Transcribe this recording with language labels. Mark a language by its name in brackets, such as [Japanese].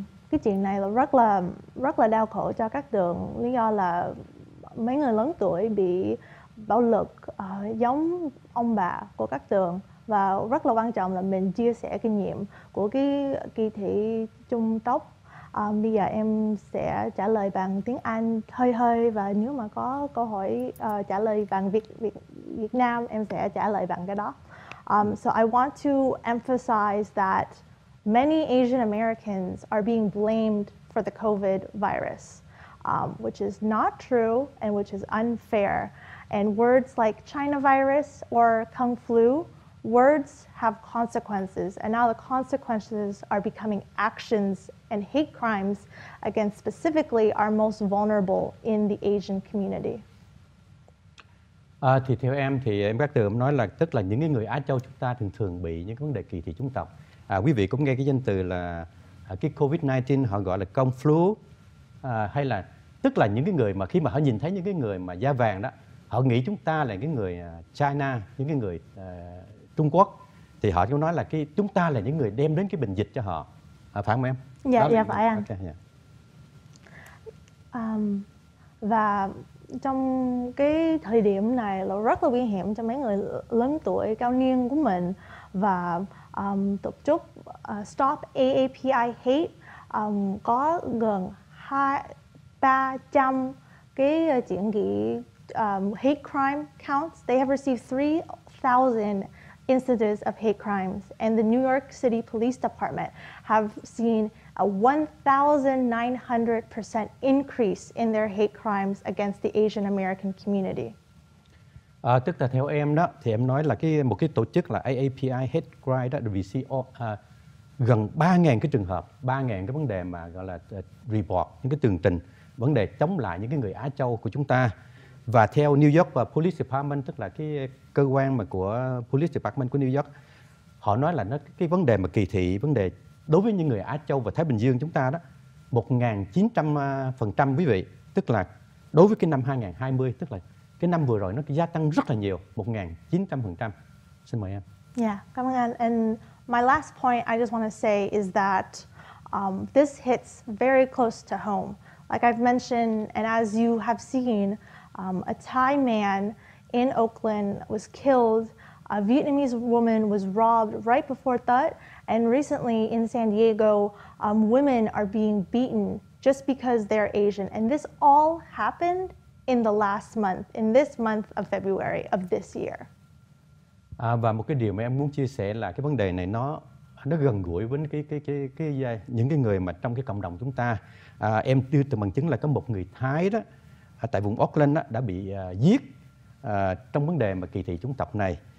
[Vietnamese] Cái chuyện này là rất là đau khổ cho các đường, lý do là mấy người lớn tuổi bị bạo lực giống ông bà của các đường, và rất là quan trọng là mình chia sẻ kinh nghiệm của cái kỳ thị chủng tộc. Bây giờ em sẽ trả lời bằng tiếng Anh hơi, và nếu mà có câu hỏi trả lời bằng Việt Nam em sẽ trả lời bằng cái đó. [English] So I want to emphasize that many Asian Americans are being blamed for the COVID virus, which is not true and which is unfair. And words like China virus or Kung flu, words have consequences. And now the consequences are becoming actions and hate crimes against specifically our most vulnerable in the Asian community? [Vietnamese] Thì theo em thì em Cát Tường nói là tức là những cái người Á Châu chúng ta thường thường bị những vấn đề kỳ thị chủng tộc. Quý vị cũng nghe cái danh từ là cái COVID-19 họ gọi là con flu, hay là tức là những cái người mà khi mà họ nhìn thấy những cái người mà da vàng đó, họ nghĩ chúng ta là cái người China, những cái người Trung Quốc, thì họ cũng nói là cái chúng ta là những người đem đến cái bệnh dịch cho họ. Phải không em? Dạ, dạ phải anh. [English] Okay, yeah. [Vietnamese] Và trong cái thời điểm này là rất là nguy hiểm cho mấy người lớn tuổi, cao niên của mình. Và tổ chức Stop AAPI Hate có gần 300 cái chỉ nghị [English] hate crime counts. They have received 3,000 incidents of hate crimes, and the New York City Police Department have seen a 1,900% increase in their hate crimes against the Asian American community. [Vietnamese] Tức là theo em đó, thì em nói là cái một cái tổ chức là AAPI Hate Crime đó, vì gần 3,000 cái trường hợp, 3,000 cái vấn đề mà gọi là report, những cái tường trình vấn đề chống lại những cái người Á Châu của chúng ta. Và theo New York Police Department, tức là cái cơ quan mà của Police Department của New York, họ nói là nó cái vấn đề mà kỳ thị, vấn đề đối với những người Á Châu và Thái Bình Dương chúng ta đó, 1,900%, quý vị, tức là đối với cái năm 2020, tức là cái năm vừa rồi nó gia tăng rất là nhiều, 1,900%. Xin mời em. Yeah, cảm ơn anh. [English] And my last point I just want to say is that this hits very close to home. Like I've mentioned, and as you have seen, a Thai man in Oakland was killed. A Vietnamese woman was robbed right before Tết. And recently in San Diego, women are being beaten just because they're Asian. And this all happened in the last month, in this month of February of this year. [Vietnamese] Và một cái điều mà em muốn chia sẻ là cái vấn đề này nó gần gũi với cái những cái người mà trong cái cộng đồng chúng ta. Em đưa từ bằng chứng là có một người Thái đó tại vùng Auckland đó, đã bị giết trong vấn đề mà kỳ thị chủng tộc này.